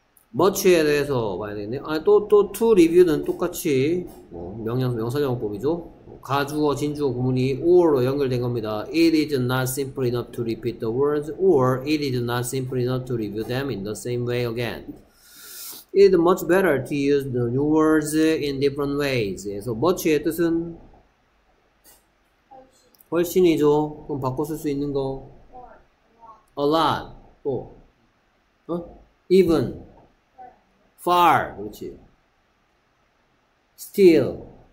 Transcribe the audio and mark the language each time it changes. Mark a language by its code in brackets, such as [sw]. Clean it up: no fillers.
[ko] 머치에 대해서 봐야 되겠네요. 아니, 또 [en] to review [ko] 는 똑같이 뭐, 명사정법이죠. 가주어, 진주어 구문이 or로 연결된 겁니다. [en] It is not simple enough to repeat the words or it is not simple enough to review them in the same way again. It is much better to use the new words in different ways. [ko] 그래서 머치의 뜻은 훨씬이죠. 그럼 바꿔 쓸수 있는 거 A lot, 또, even, far, 그렇지. Still,